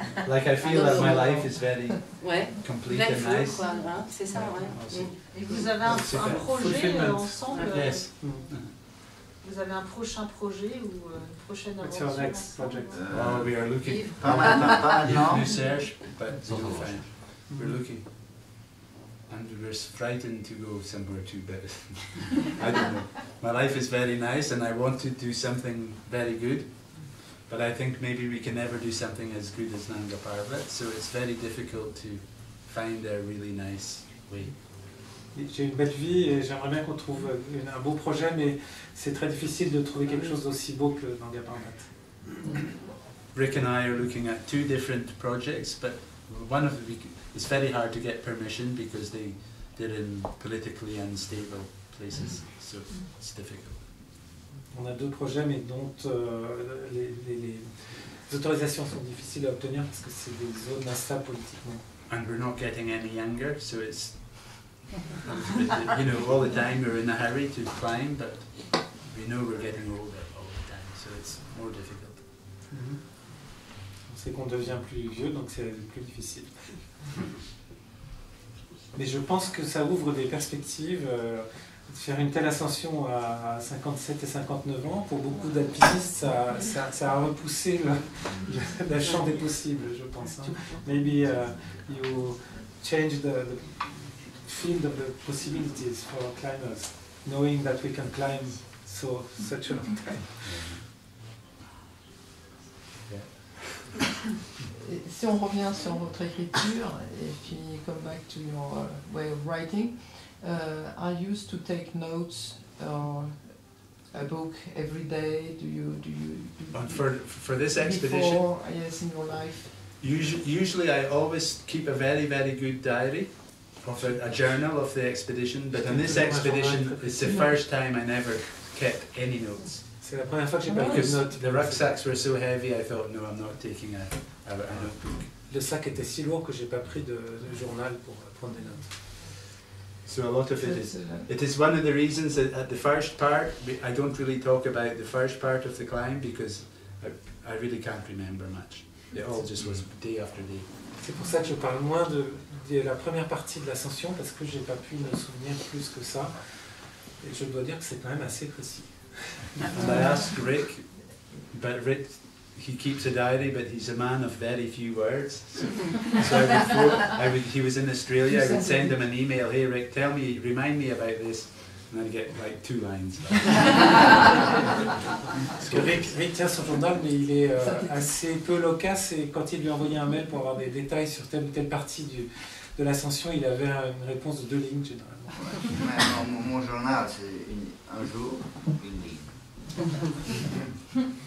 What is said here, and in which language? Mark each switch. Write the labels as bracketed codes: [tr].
[en] Like I feel that my life is very complete and nice. [fr] Quoi, hein? C'est ça, ouais. Et vous avez un projet ensemble? [en] Yes. [fr] Vous avez un prochain projet ou une prochaine aventure? [en] What's your next project? We are looking. [fr] Pas mal, papa, non? [en] New search, but you'll find. We're looking. And we're frightened to go somewhere too bad. I don't know. My life is very nice and I want to do something very good. But I think maybe we can never do something as good as Nanga Parbat, so it's very difficult to find a really nice way. [fr] J'ai une belle vie et j'aimerais bien qu'on trouve un beau projet, mais c'est très difficile de trouver quelque chose d'aussi beau que Nanga Parbat. [en] Rick and I are looking at two different projects, but one of them is very hard to get permission because they're in politically unstable places, so it's difficult. [fr] On a deux projets, mais dont les autorisations sont difficiles à obtenir parce que c'est des zones instables politiquement. [en] And we're not getting any younger, so it's you know all the time we're in a hurry to climb, but we know we're getting older all the time, so it's more difficult. [fr] On sait qu'on devient plus vieux, donc c'est plus difficile. Mais je pense que ça ouvre des perspectives. Faire une telle ascension à 57 et 59 ans, pour beaucoup d'alpinistes, ça a repoussé le champ des possibles, je pense. Hein. [en] Maybe you change the field of the possibilities for climbers, knowing that we can climb so such a long time. [fr] Si on revient sur votre écriture, et puis [en] come back to your way of writing, I used to take notes or a book every day. For this expedition? Before, yes, in your life. Usually I always keep a very, very good diary of a journal of the expedition, but on this expedition it's the first time I never kept any notes. Because the rucksacks were so heavy, I thought, no, I'm not taking a notebook. [fr] Le sac était si lourd que j'ai pas pris de journal pour prendre des notes. [en] So a lot of it is. It is one of the reasons that at the first part, I don't really talk about the first part of the climb because I really can't remember much. It all just was day after day. [fr] C'est pour ça que je parle moins de la première partie de l'ascension parce que j'ai pas pu me souvenir plus que ça. Et je dois dire que c'est quand même assez précis. [en] I asked Rick, but Rick, he keeps a diary, but he's a man of very few words. So he was in Australia, I would send him an email, hey Rick, tell me, remind me about this, and I'd get like two lines. [fr] Parce que Rick tient son journal, mais il est assez peu loquace, et quand il lui envoyait un mail pour avoir des détails sur telle ou telle partie de l'ascension, il avait une réponse de deux lignes, généralement. Ouais, mon journal, c'est un jour, une ligne.